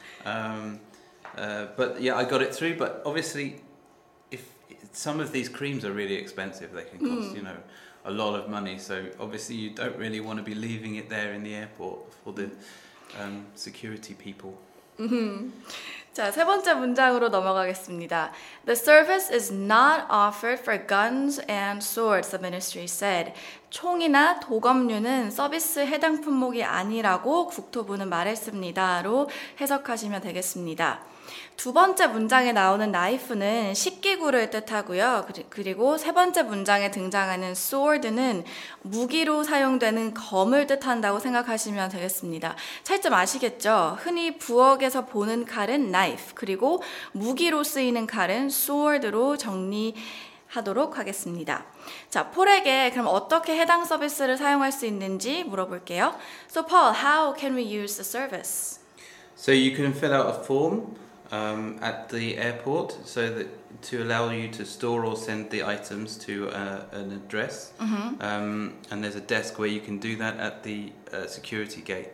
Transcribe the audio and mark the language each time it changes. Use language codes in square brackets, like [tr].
[en] But yeah, I got it through, but obviously, if some of these creams are really expensive. They can cost, you know, a lot of money. So obviously, you don't really want to be leaving it there in the airport for the security people. Mm-hmm. [ko] 자, 세 번째 문장으로 넘어가겠습니다. [en] The service is not offered for guns and swords, the ministry said. [ko] 총이나 도검류는 서비스 해당 품목이 아니라고 국토부는 말했습니다로 해석하시면 되겠습니다. 두 번째 문장에 나오는 나이프는 식기구를 뜻하고요. 그리고 세 번째 문장에 등장하는 sword는 무기로 사용되는 검을 뜻한다고 생각하시면 되겠습니다. 차이점 아시겠죠? 흔히 부엌에서 보는 칼은 knife, 그리고 무기로 쓰이는 칼은 sword로 정리하도록 하겠습니다. 자, 폴에게 그럼 어떻게 해당 서비스를 사용할 수 있는지 물어볼게요. [en] So Paul, how can we use the service? So you can fill out a form at the airport so that to allow you to store or send the items to an address. Mm-hmm. And there's a desk where you can do that at the security gate.